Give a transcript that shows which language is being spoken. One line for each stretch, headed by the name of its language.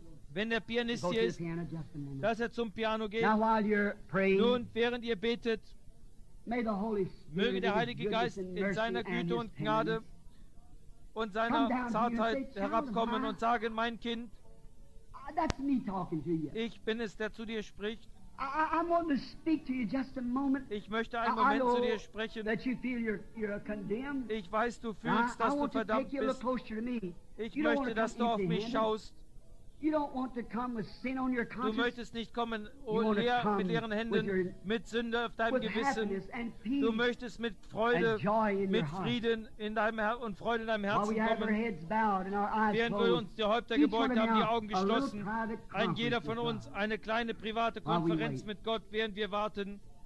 German: Wenn der Pianist hier ist, dass er zum Piano geht. Nun, während ihr betet, möge der Heilige Geist in seiner Güte und Gnade und seiner Zartheit herabkommen und sagen, mein Kind,
English: that's me talking to you.
German: Ich bin es, der zu dir spricht.
English: I'm wanting to speak to you just a moment.
German: Ich möchte einen Moment zu dir sprechen.
English: That you feel you're condemned.
German: Ich weiß, du fühlst, dass du verdammt bist.
English: I want to take you a little closer to me.
German: Ich möchte, dass du auf mich schaust.
English: You don't want to come with sin on your conscience.
German: Du möchtest nicht kommen mit leeren Händen, mit Sünde auf deinem Gewissen. Du möchtest mit Freude, mit Frieden in deinem und Freude in deinem Herzen kommen. Während wir uns die Häupter gebeugt haben, die Augen geschlossen, ein jeder von uns eine kleine private Konferenz mit Gott, während wir warten.